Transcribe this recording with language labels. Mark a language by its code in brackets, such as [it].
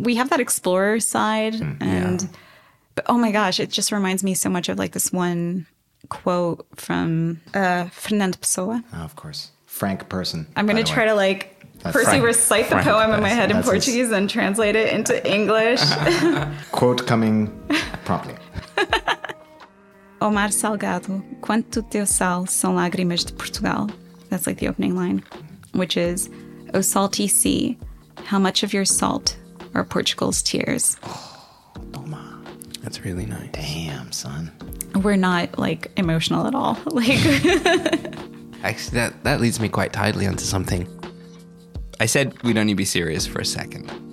[en] We have that explorer side. But oh my gosh, it just reminds me so much of like this one quote from Fernando Pessoa. Oh, of course. Frank Person. I'm going to try to like recite the poem in my head in Portuguese and translate it into English. Quote coming promptly. [pt] O mar salgado, quanto teu sal são lágrimas de Portugal. [en] That's like the opening line, which is, O salty sea, how much of your salt are Portugal's tears? [pt] Oh, toma. [en] That's really nice. Damn, son. We're not like emotional at all. Like, actually, that leads me quite tidily onto something. I said we'd only be serious for a second.